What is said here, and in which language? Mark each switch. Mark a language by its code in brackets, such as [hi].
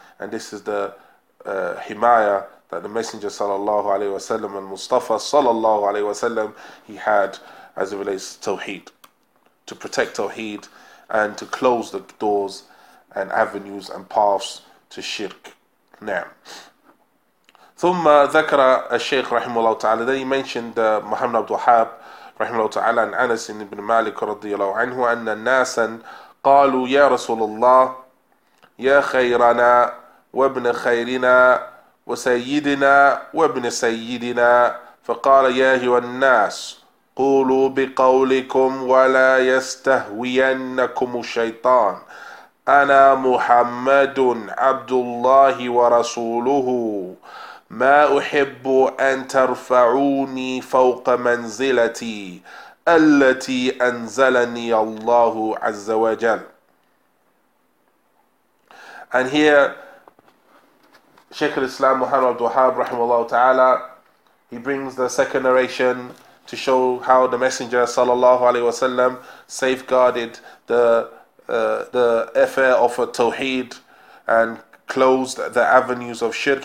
[en] And this is the himaya that the Messenger sallallahu alaihi wasallam and Mustafa sallallahu alaihi wasallam, he had as it relates to Tawheed, to protect Tawheed and to close the doors and avenues and paths to shirk. Na'am. [ar] ثم ذكر الشيخ رحمه الله تعالى. [en] Then he mentioned Muhammad Abdul Wahhab [ar] رحمه الله تعالى عن أنس بن مالك رضي الله عنه أن الناس قالوا يا رسول الله يا خيرنا وابن خيرنا وسيدنا وابن سيدنا فقال يا أيها الناس قولوا بقولكم ولا يستهوينكم الشيطان أنا محمد عبد الله ورسوله ما أحب أن ترفعوني فوق منزلتي التي أنزلني الله عز وجل. [en] And here, Sheikh al-Islam Muhammad Abdul Wahhab, rahimahullah ta'ala, he brings the second narration to show how the Messenger, sallallahu alaihi wasallam, safeguarded the affair of a tawheed and closed the avenues of shirk.